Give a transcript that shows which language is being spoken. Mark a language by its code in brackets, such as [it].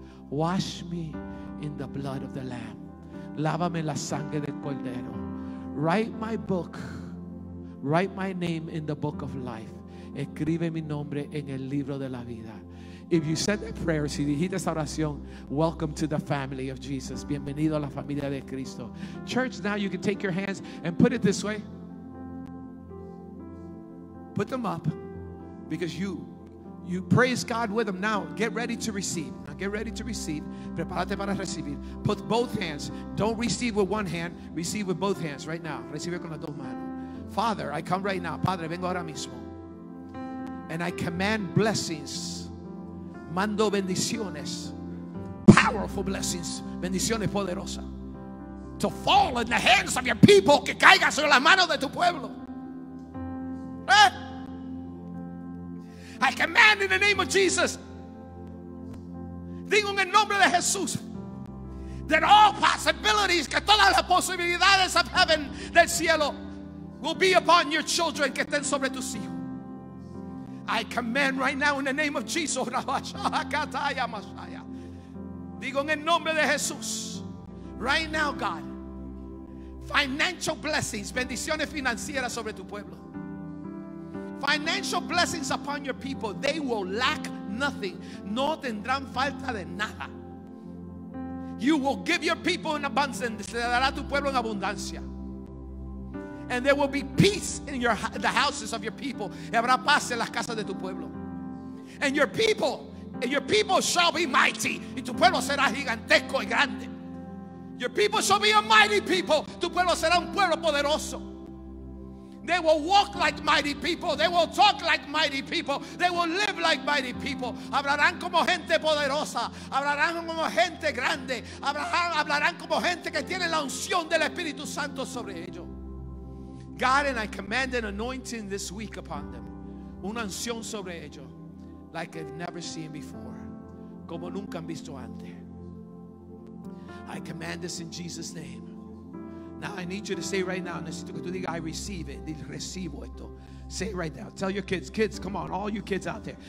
[en] Wash me in the blood of the Lamb. [es] Lávame la sangre del Cordero. [en] Write my book. Write my name in the book of life. [es] Escribe mi nombre en el libro de la vida. [en] If you said that prayer, si dijiste esa oración, welcome to the family of Jesus. [es] Bienvenido a la familia de Cristo. [en] Church, now you can take your hands and put it this way. Put them up because you praise God with them. Now get ready to receive. Now get ready to receive. [es] Prepárate para recibir. [en] Put both hands. Don't receive with one hand. Receive with both hands right now. [es] Recibe con las dos manos. [en] Father, I come right now. [es] Padre, vengo ahora mismo. [en] And I command blessings. [es] Mando bendiciones. [en] Powerful blessings. [es] Bendiciones poderosas. [en] To fall in the hands of your people. [es] Que caiga sobre las manos de tu pueblo. [en] I command in the name of Jesus. [es] Digo en el nombre de Jesús. [en] That all possibilities. [es] Que todas las posibilidades [en] of heaven. [es] Del cielo. [en] Will be upon your children. [es] Que estén sobre tus hijos. [en] I command right now in the name of Jesus. [es] Digo en el nombre de Jesús. [en] Right now, God. Financial blessings. [es] Bendiciones financieras sobre tu pueblo. [en] Financial blessings upon your people. They will lack nothing. [es] No tendrán falta de nada. [en] You will give your people in abundance. [es] Se dará tu pueblo en abundancia. [en] And there will be peace in your the houses of your people. [es] Y habrá paz en las casas de tu pueblo. [en] And your people shall be mighty. [es] Y tu pueblo será gigantesco y grande. [en] Your people shall be a mighty people. [es] Tu pueblo será un pueblo poderoso. [en] They will walk like mighty people. They will talk like mighty people. They will live like mighty people. [es] Hablarán como gente poderosa. Hablarán como gente grande. Hablarán como gente que tiene la unción del Espíritu Santo sobre ellos. [en] God, and I command an anointing this week upon them. [es] Una unción sobre ellos. [en] Like they've never seen before. [es] Como nunca han visto antes. [en] I command this in Jesus' name. Now I need you to say right now. [es] Necesito que tú digas, [en] I receive it. [es] Recibo esto. [en] Say it right now. Tell your kids. Kids, come on. All you kids out there.